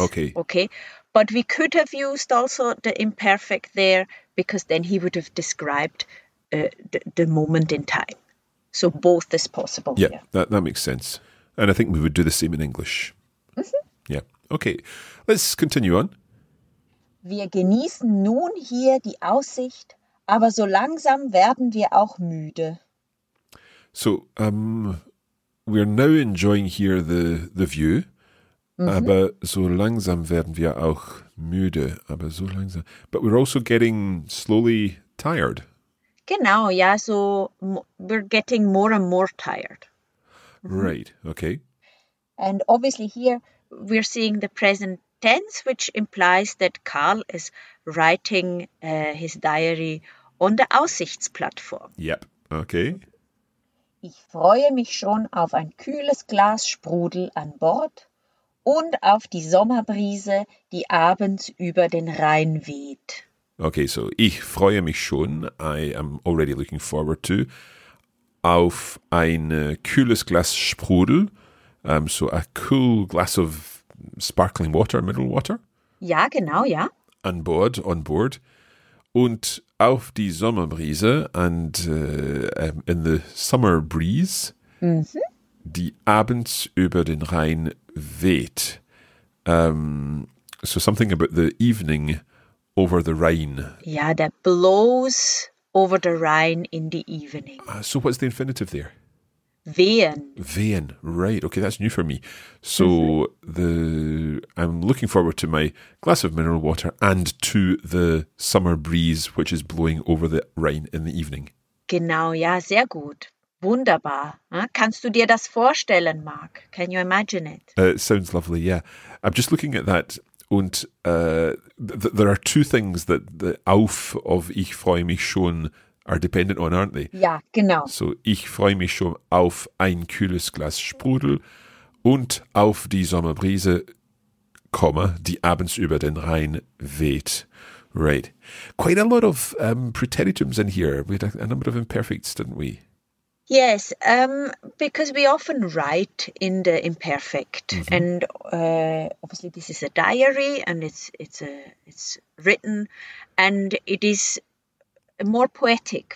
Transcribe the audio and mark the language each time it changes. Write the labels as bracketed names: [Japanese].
[English] Okay. Okay. But we could have used also the imperfect there because then he would have described the moment in time. So both is possible here. Yeah, that makes sense. And I think we would do the same in English. Mm-hmm. Yeah. Okay, let's continue on. [German] Wir genießen nun hier die Aussicht, aber so langsam werden wir auch müde. [English] So, we're now enjoying here the view, mm-hmm. [German] aber so langsam werden wir auch müde, aber so langsam. [English] But we're also getting slowly tired. [German] Genau, ja, [English] so we're getting more and more tired. Mm-hmm. Right, okay. And obviously here we're seeing the present tense, which implies that Karl is writing his diary on the Aussichtsplattform. Yep, okay. [German] Ich freue mich schon auf ein kühles Glas Sprudel an Bord und auf die Sommerbrise, die abends über den Rhein weht. [English] Okay, so [German] ich freue mich schon, [English] I am already looking forward to, [German] auf ein kühles Glas Sprudel, [English] so a cool glass of sparkling water, mineral water. [German] Ja, genau, ja. [English] On board. [German] Und auf die Sommerbrise, [English] and in the summer breeze, mm-hmm. [German] die abends über den Rhein weht. [English] So something about the evening over the Rhine. Ja, that blows over the Rhine in the evening. So what's the infinitive there? [German] Wehen. [English] Wehen, right. Okay, that's new for me. So I'm looking forward to my glass of mineral water and to the summer breeze, which is blowing over the Rhine in the evening. [German] Genau, ja, sehr gut. Wunderbar. Kannst du dir das vorstellen, Mark? [English] Can you imagine it? It sounds lovely, yeah. I'm just looking at that. And there are two things that the auf of [German] ich freue mich schon [English] are dependent on, aren't they? [German] Ja, genau. So, ich freue mich schon auf ein kühles Glas Sprudel und auf die Sommerbrise, die abends über den Rhein weht. [English] Right. Quite a lot of preteritums in here. We had a number of imperfects, didn't we? Yes, because we often write in the imperfect. Mm-hmm. And obviously this is a diary and it's written and it is more poetic.